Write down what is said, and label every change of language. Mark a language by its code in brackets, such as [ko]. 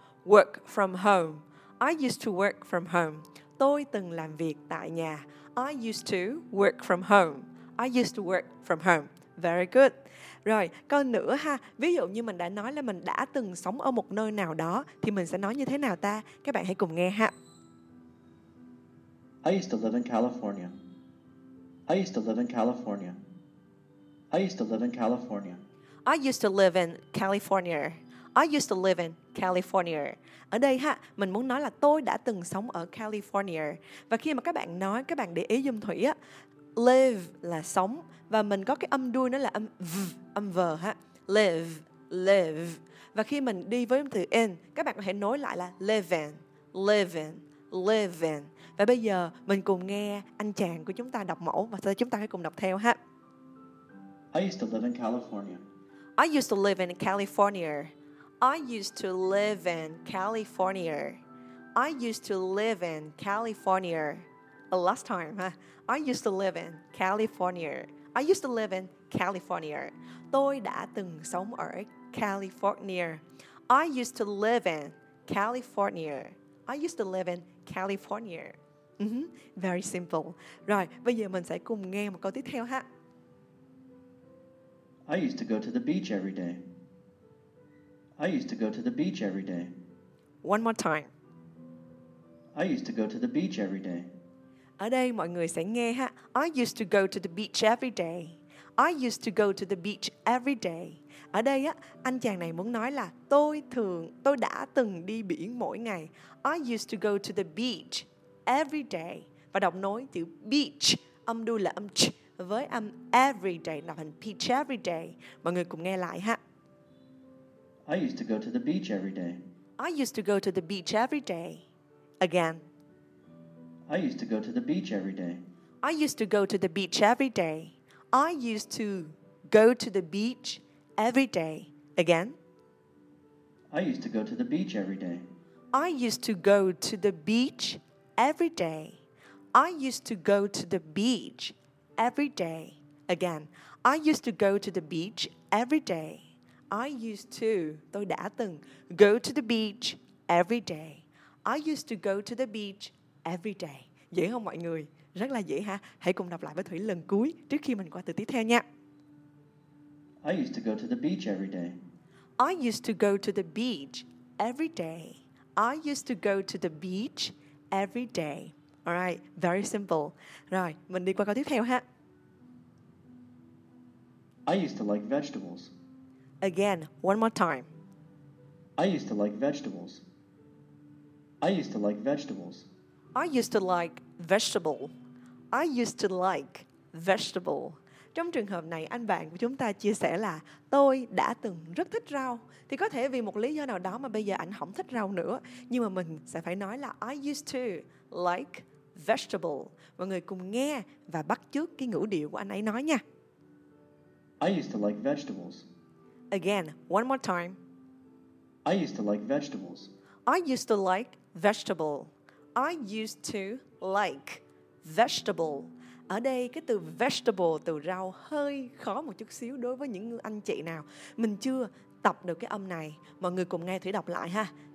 [en] Work from home. I used to work from home. [vi] Tôi từng làm việc tại nhà. [en] I used to work from home. I used to work from home. Very good. [vi] Rồi, câu nữa ha. Ví dụ như mình đã nói là mình đã từng sống ở một nơi nào đó, thì mình sẽ nói như thế nào ta? Các bạn hãy cùng nghe ha. [en] I used to live in California. I used to live in California. I used to live in California. I used to live in California. I used to live in California. [vi] Ở đây ha, mình muốn nói là tôi đã từng sống ở California. Và khi mà các bạn nói, các bạn để ý giùm Thủy á, live là sống và mình có cái âm đuôi nó là âm v ha. Live, live. Và khi mình đi với từ in, các bạn có thể nối lại là [en] live in, live in, live in. [vi] Và bây giờ mình cùng nghe anh chàng của chúng ta đọc mẫu và sau đó chúng ta hãy cùng đọc theo ha. [en] I used to live in California. I used to live in California. I used to live in California. I used to live in California. Last time, huh? I used to live in California. I used to live in California. [vi] Tôi đã từng sống ở California. [en] I used to live in California. I used to live in California. Very simple. Right. [vi] Bây giờ mình sẽ cùng nghe một câu tiếp theo ha. [en] I used to go to the beach every day. I used to go to the beach every day. One more time. I used to go to the beach every day. [vi] Ở đây mọi người sẽ nghe ha. [en] I used to go to the beach every day. I used to go to the beach every day. [vi] Ở đây á, anh chàng này muốn nói là tôi đã từng đi biển mỗi ngày. [en] I used to go to the beach every day. [vi] Và đọc nối từ beach, âm đuôi là âm ch với âm every day, nạp hình beach every day. Mọi người cùng nghe lại ha. [en] I used to go to the beach every day. I used to go to the beach every day. Again. I used to go to the beach every day. I used to go to the beach every day. I used to go to the beach every day. Again. I used to go to the beach every day. I used to go to the beach every day. I used to go to the beach every day. Again. I used to go to the beach every day. I used to, [vi] tôi đã từng, [en] go to the beach every day. I used to go to the beach every day. [vi] Dễ không mọi người? Rất là dễ ha. Hãy cùng đọc lại với Thủy lần cuối trước khi mình qua từ tiếp theo nha. [en] I used to go to the beach every day. I used to go to the beach every day. I used to go to the beach every day. All right, very simple. [vi] Rồi, mình đi qua câu tiếp theo ha. [en] I used to like vegetables. Again, one more time. I used to like vegetables. I used to like vegetables. I used to like vegetable. I used to like vegetable. [vi] Trong trường hợp này, anh bạn của chúng ta chia sẻ là tôi đã từng rất thích rau. Thì có thể vì một lý do nào đó mà bây giờ anh không thích rau nữa. Nhưng mà mình sẽ phải nói là [en] I used to like vegetable. [vi] Mọi người cùng nghe và bắt chước cái ngữ điệu của anh ấy nói nha. [en] I used to like vegetables. Again, one more time. I used to like vegetables. I used to like vegetable. I used to like vegetable. [vi] Ở đây cái từ vegetable, từ rau hơi khó một chút xíu đối với những anh chị nào mình chưa tập được cái âm này. Mọi người cùng nghe Thủy đọc lại ha.